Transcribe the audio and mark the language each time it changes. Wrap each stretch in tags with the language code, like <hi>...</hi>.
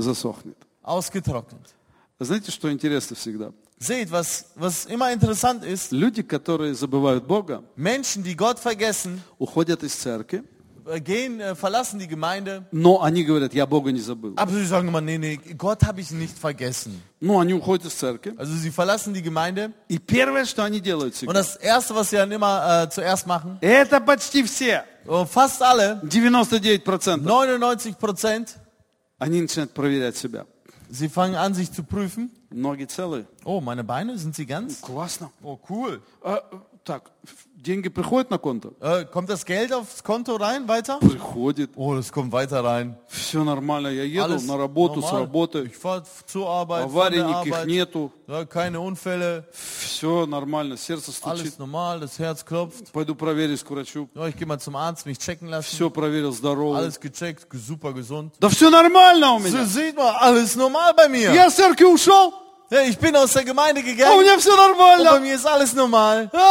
<ru>Засохнет.</ru> <de>Ausgetrocknet.</de> <ru>Знаете, что интересно всегда?</ru> <de>Seht, was immer interessant ist.</de> <ru>Люди, которые забывают Бога,</ru> <de>Menschen, die Gott vergessen,</de> <ru>уходят из церкви.</ru> <de>Gehen, verlassen die Gemeinde.</de> <ru>Но они говорят, я Бога не забыл.</ru> <de>Aber sie sagen immer, nee, Gott habe ich nicht vergessen.</de> <ru>Ну, они уходят из церкви.</ru> <de>Also sie verlassen die Gemeinde.</de> <ru>И первое, что они делают,</ru> <de>und das Erste, was sie dann immer zuerst machen,</de> <ru>это почти все.</ru> <de>Fast alle. 99%. 99%.</de> <ru>Они начинают проверять себя.</ru> <de>Sie fangen an, sich zu prüfen.</de> <ru>Ноги целы.</ru> <de>Oh, meine Beine, sind sie ganz?</de> <ru>Классно.</ru> <de>Oh, cool.</de> <ru>Так, деньги приходят на конто?</ru> <de>Kommt das Geld aufs Konto rein, weiter?</de> <ru>Приходит.</ru> <de>Oh, das kommt weiter rein.</de> <ru>Все нормально, я еду</ru> <de>alles</de> <ru>на работу,</ru> <de>normal.</de> <ru>С работы.</ru> <de>Ich fahr zur Arbeit,</de> <ru>аварий</ru> <de>von der</de> <ru>никаких</ru> <de>Arbeit.</de> <ru>Нету.</ru> <de>Ja, keine Unfälle.</de> <ru>Все нормально, сердце стучит.</ru> <de>Alles normal, das Herz klopft.</de> <ru>Пойду проверюсь к врачу.</ru> <de>Oh, ich geh mal zum Arzt, mich checken lassen.</de> <ru>Все проверил, здоровый.</ru> <de>Alles gecheckt, super gesund.</de> <ru>Да все нормально у меня.</ru> <de>So, sieht man, alles normal bei mir.</de> <ru>Я с церкви ушел.</ru> <de>Hey, ich bin aus der Gemeinde gegangen.</de> <ru>У меня все нормально.</ru> <de>Und bei mir ist alles normal.</de>